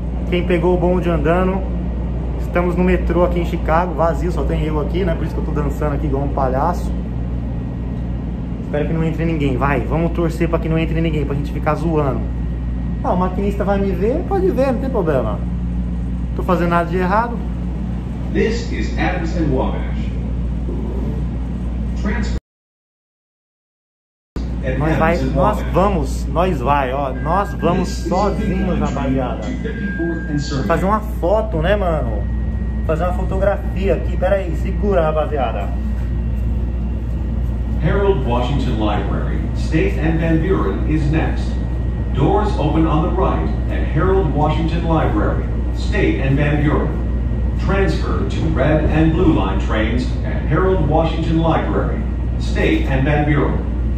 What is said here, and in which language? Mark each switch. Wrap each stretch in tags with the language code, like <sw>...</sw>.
<pt>Quem pegou o bonde andando. Estamos no metrô aqui em Chicago. Vazio, só tem eu aqui, né? Por isso que eu tô dançando aqui igual um palhaço. Espero que não entre ninguém, vai. Vamos torcer pra que não entre ninguém, pra gente ficar zoando. Ah, o maquinista vai me ver, pode ver, não tem problema. Tô fazendo nada de errado.</pt> <en>This is Adams and Wabash.</en> <pt>Nós vai, nós vamos, nós vai, ó. Nós vamos sozinhos, rapaziada. Fazer uma foto, né, mano? Fazer uma fotografia aqui, pera aí, segura, rapaziada.</pt> <en>Harold Washington Library, State and Van Buren is next. Doors open on the right at Harold Washington Library, State and Van Buren. Transfer to red and blue line trains at Harold Washington Library, State and Van Buren.</en>